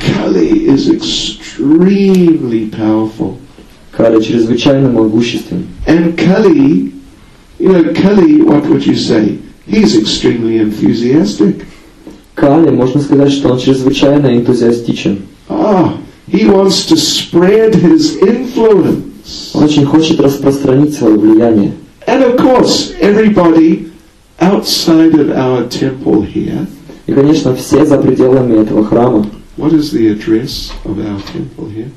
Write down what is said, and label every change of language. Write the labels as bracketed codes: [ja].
[en] Kali is extremely powerful. [ru] Кали чрезвычайно могущественен. [en] And Kali, you know, Kali, what would you say? He's extremely enthusiastic. [ru] Кали, можно сказать, что он чрезвычайно энтузиастичен. [en] Ah, he wants to spread his influence. [ru] Он очень хочет распространить свое влияние. [en] And of course, everybody outside of our temple here. [ru] И, конечно, все за пределами этого храма. [en] What is the address of our temple here?